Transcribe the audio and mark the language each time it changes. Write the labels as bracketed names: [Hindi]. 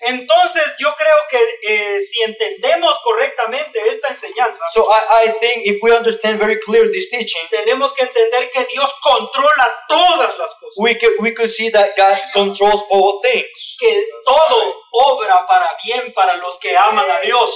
[Spanish] Entonces, yo creo que si entendemos correctamente esta enseñanza. [English] So I think if we understand very clear this teaching. [Spanish] Tenemos que entender que Dios controla todas las cosas. [English] We could see that God controls all things. [Spanish] Que todo obra para bien para los que aman a Dios.